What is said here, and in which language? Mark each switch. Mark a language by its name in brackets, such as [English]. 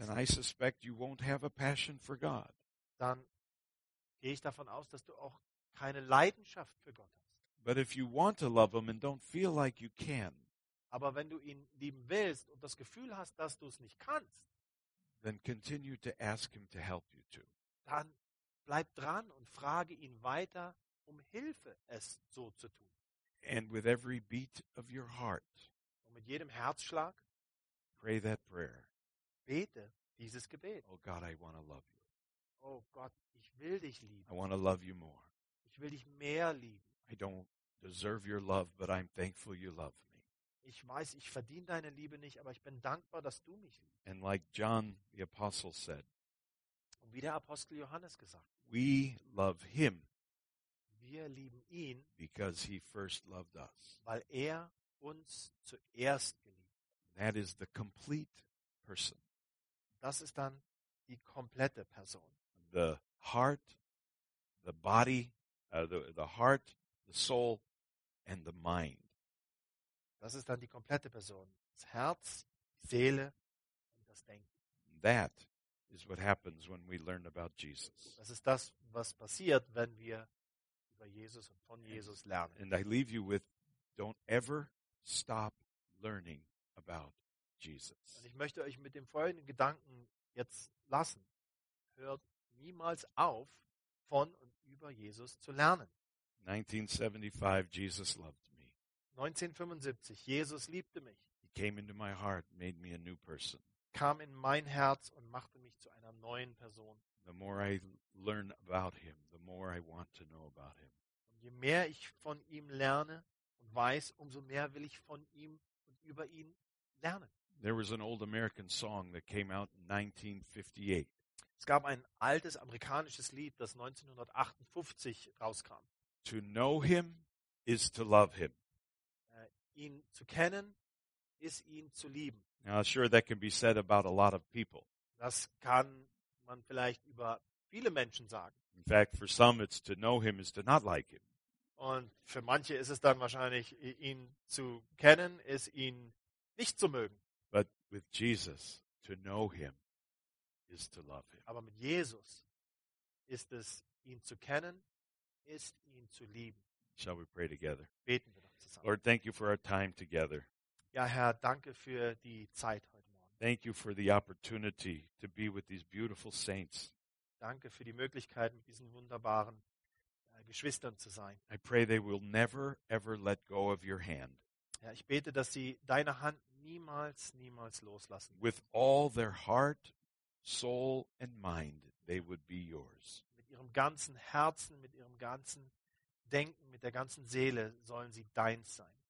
[English] then I suspect you won't have a passion for God. [German] Dann gehe ich davon aus, dass du auch keine Leidenschaft für Gott hast. [English] But if you want to love him and don't feel like you can, [German] aber wenn du ihn lieben willst und das Gefühl hast, dass du es nicht kannst, [English] then continue to ask him to help you to. [German] Dann bleib dran und frage ihn weiter um Hilfe, es so zu tun. [English] And with every beat of your heart, [German] und mit jedem Herzschlag, [English] pray that prayer. [German] Bete dieses Gebet. [English] Oh God, I want to love you. [German] Oh Gott, ich will dich lieben. [English] I want to love you more. [German] Ich will dich mehr lieben. [English] I don't deserve your love, but I'm thankful you love me. [German] Ich weiß, ich verdiene deine Liebe nicht, aber ich bin dankbar, dass du mich liebst. [English] And like John the Apostle said, [German] und wie der Apostel Johannes gesagt, [English] we love him. [German] Wir lieben ihn, [English] because he first loved us. [German] Weil er uns zuerst geliebt hat. [English] That is the complete person. [German] Das ist dann die komplette Person. [English] The heart, the body, the heart, the soul, and the mind. [German] Das ist dann die komplette Person. Das Herz, die Seele und das Denken. [English] That is what happens when we learn about Jesus. [German] Das ist das, was passiert, wenn wir über Jesus und von Jesus lernen. [English] And I leave you with, don't ever stop learning about Jesus. [German] Und ich möchte euch mit dem folgenden Gedanken jetzt lassen. Hört niemals auf, von und über Jesus zu lernen. [English] 1975, Jesus loved me. [German] 1975, Jesus liebte mich. [English] He came into my heart, made me a new person. [German] Kam in mein Herz und machte mich zu einer neuen Person. [English] The more I learn about him, the more I want to know about him. [German] Und je mehr ich von ihm lerne und weiß, umso mehr will ich von ihm und über ihn lernen. [English] There was an old American song that came out in 1958. [German] Es gab ein altes amerikanisches Lied, das 1958 rauskam. [English] To know him is to love him. [German] Ihn zu kennen ist ihn zu lieben. [English] Now, sure, that can be said about a lot of people. [German] Das kann man vielleicht über viele Menschen sagen. [English] In fact, for some it's to know him is to not like him. [German] Und für manche ist es dann wahrscheinlich, ihn zu kennen ist ihn nicht zu mögen. [English] But with Jesus, to know him is to love him. [German] Aber mit Jesus ist es, ihn zu kennen, ist ihn zu lieben. [English] Shall we pray together? [German] Beten wir doch zusammen. [English] Lord, thank you for our time together. [German] Ja, Herr, danke für die Zeit heute Morgen. [English] Thank you for the opportunity to be with these beautiful saints. [German] Danke für die Möglichkeit, mit diesen wunderbaren Geschwistern zu sein. [English] I pray they will never, ever let go of your hand. [German] Ja, ich bete, dass sie deine Hand niemals, niemals loslassen. [English] With all their heart, soul and mind, they would be yours. [German] Mit ihrem ganzen Herzen, mit ihrem ganzen Denken, mit der ganzen Seele sollen sie deins sein.